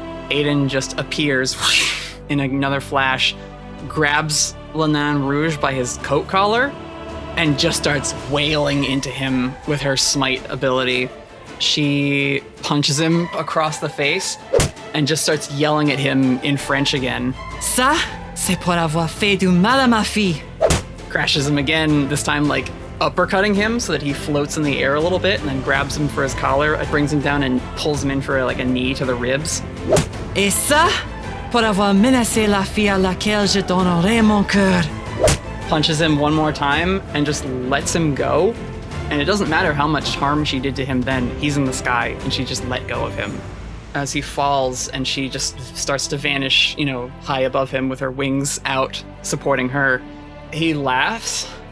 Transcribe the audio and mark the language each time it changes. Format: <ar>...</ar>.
<en>Aiden just appears in another flash, grabs Lanan Rouge by his coat collar, and just starts wailing into him with her smite ability. She punches him across the face and just starts yelling at him in French again.</en> <fr>Ça, c'est pour avoir fait du mal à ma fille.</fr> <en>Crashes him again, this time like uppercutting him so that he floats in the air a little bit and then grabs him for his collar. It brings him down and pulls him in for like a knee to the ribs.</en> <fr>Et ça, pour avoir menacé la fille à laquelle je donnerai mon cœur.</fr> <en>Punches him one more time and just lets him go. And it doesn't matter how much harm she did to him then, he's in the sky and she just let go of him. As he falls and she just starts to vanish, you know, high above him with her wings out supporting her, he laughs.</en>